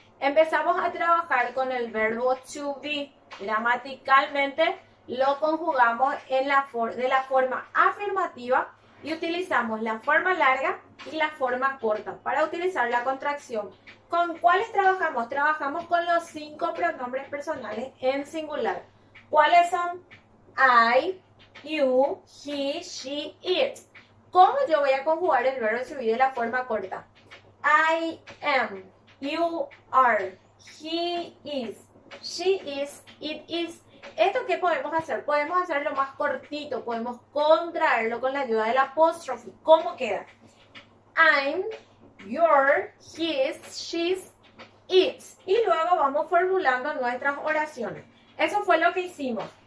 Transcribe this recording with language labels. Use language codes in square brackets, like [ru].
[es] Empezamos a trabajar con el verbo to be. Gramaticalmente lo conjugamos en la forma afirmativa y utilizamos la forma larga y la forma corta para utilizar la contracción. ¿Con cuáles trabajamos? Trabajamos con los cinco pronombres personales en singular. ¿Cuáles son? [en] I, you, he, she, it. [es] ¿Cómo yo voy a conjugar el verbo to be de la forma corta? [en] I am, you are, he is, she is, it is. [es] ¿Esto qué podemos hacer? Podemos hacerlo más cortito, podemos contraerlo con la ayuda del apóstrofe. ¿Cómo queda? [en] I'm, your, his, she's, it's. [es] Y luego vamos formulando nuestras oraciones. Eso fue lo que hicimos.